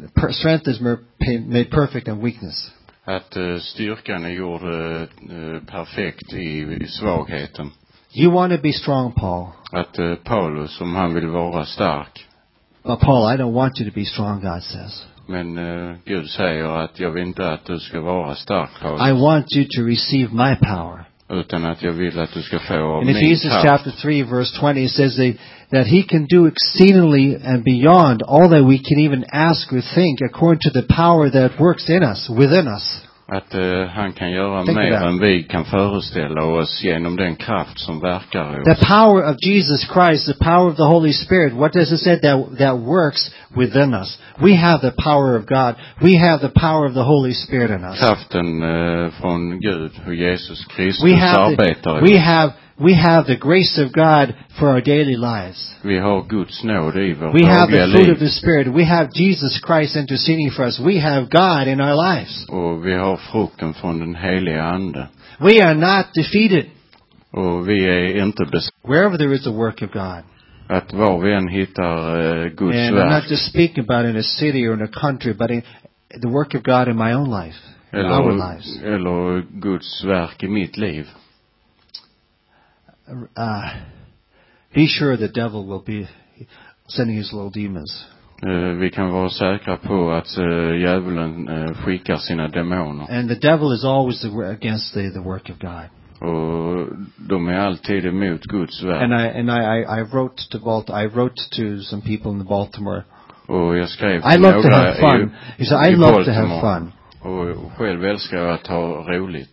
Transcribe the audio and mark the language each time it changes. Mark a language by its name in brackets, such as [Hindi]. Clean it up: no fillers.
[English] Strength is made perfect in weakness. [Swedish] Att styrkan är gjord perfekt i svagheten. [English] You want to be strong, Paul. [Swedish] Att Paulus, om han vill vara stark. [English] But Paul, I don't want you to be strong, God says. [Swedish] Men Gud säger att jag vill inte att du ska vara stark, Paulus. [English] I want you to receive my power. [Swedish] Utan att jag vill att du ska få av min kraft. [English] In Ephesians chapter 3, verse 20, it says that he can do exceedingly and beyond all that we can even ask or think according to the power that works in us, within us. [Swedish] Att han kan göra mer än vi kan föreställa oss genom den kraft som verkar i oss. [English] The power of Jesus Christ, the power of the Holy Spirit, what does it say that works within us? We have the power of God. We have the power of the Holy Spirit in us. [Swedish] Kraften från Gud och Jesus Kristus arbetar i oss. [English] We have the grace of God for our daily lives. [Swedish] Vi har Guds nåd i vårt. [English] We have the fruit of the Spirit. We have Jesus Christ interceding for us. We have God in our lives. [Swedish] Och vi har frukten från den heliga ande. [English] We are not defeated. [Swedish] Och vi är inte besegrade. [English] Wherever there is a work of God. [Swedish] Att var vi än hittar Guds [English] and [Swedish] verk. [English] I'm not just speaking about in a city or in a country, but in the work of God in my own life. [Swedish] Eller, [English] in our lives. [Swedish] Eller Guds verk i mitt liv. [English] Be sure the devil will be sending his little demons. [Swedish] Vi kan vara säkra på att djävulen skickar sina demoner. [English] And the devil is always against the work of God. [Swedish] Och de är alltid emot Guds verk. [English] And I wrote to some people in the Baltimore. [Swedish] Och jag skrev [English] I love to have fun. He said, I love to have fun. [Swedish] Och själv älskar jag att ha roligt.